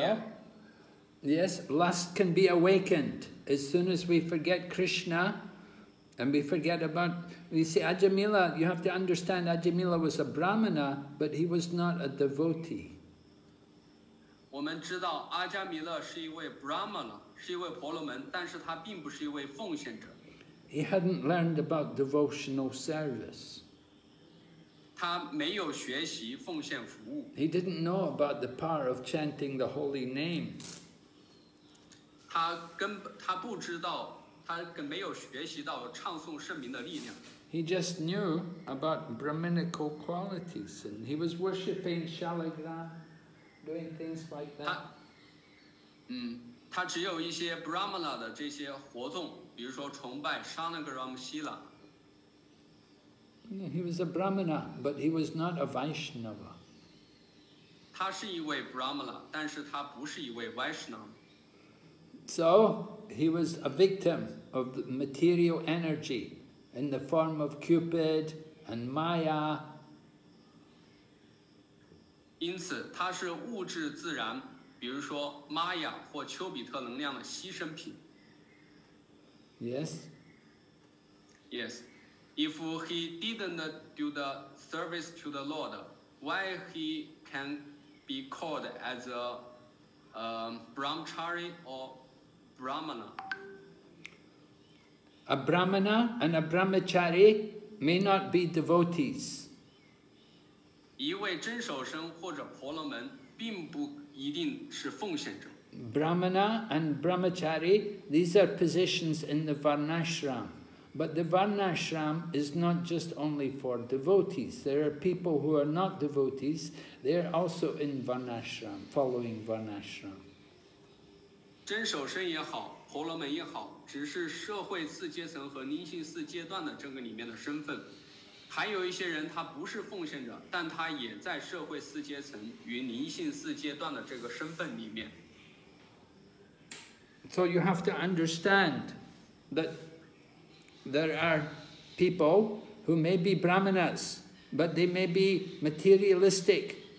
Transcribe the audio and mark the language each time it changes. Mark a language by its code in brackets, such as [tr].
[en] Yeah. Yes. Lust can be awakened as soon as we forget Krishna, and we forget about. You see, Ajamila. You have to understand. Ajamila was a brahmana, but he was not a devotee. We know Ajamila is a brahmana. [zh] 是一位婆罗门，但是他并不是一位奉献者。 [en] He hadn't learned about devotional service. [zh] 他没有学习奉献服务。 [en] He didn't know about the power of chanting the holy name. [zh] 他不知道，他没有学习到唱诵圣名的力量。 [en] He just knew about brahminical qualities, and he was worshipping Shaligram, doing things like that. [zh] 他只有一些 Brahmana 的这些活动，比如说崇拜 Shanagram Sila。 [en] He was a Brahmana, but he was not a Vaishnava. [zh] 他是一位 Brahmana, 但是他不是一位 Vaishnava. [en] So, he was a victim of the material energy in the form of Cupid and Maya. [zh] 因此他是物质自然比如说玛雅或丘比特能量的牺牲品。 [en] Yes. Yes. If he didn't do the service to the Lord, why he can be called as a brahmachari or brahmana? A brahmana and a brahmachari may not be devotees. [zh] 一位真守生或者婆罗门并不一定是奉献者。 [en] Brahmana and Brahmachari, these are positions in the Varnashram. But the Varnashram is not just only for devotees. There are people who are not devotees, they are also in Varnashram, following Varnashram. [zh] 真守生也好，婆罗门也好，只是社会四阶层和宁静四阶段的这个里面的身份。还有一些人他不是奉献者，但他也在社会四阶层与灵性四阶段的这个身份里面。 [en] So you have to understand that there are people who may be brahmanas, but they may be materialistic.